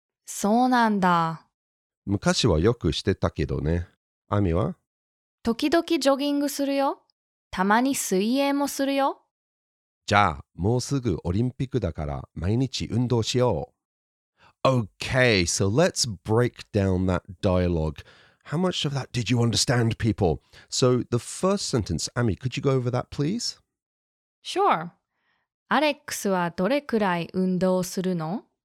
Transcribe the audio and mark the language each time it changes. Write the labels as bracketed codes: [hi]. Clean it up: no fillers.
[ja] そうなんだ。昔はよくしてたけどね。アミは？時々ジョギングするよ。たまに水泳もするよ。じゃあ、もうすぐオリンピックだから毎日運動しよう。 [en] Okay, so let's break down that dialogue. How much of that did you understand, people? So the first sentence, Ami, could you go over that, please? Sure. [ja] アレックスはどれくらい運動するの？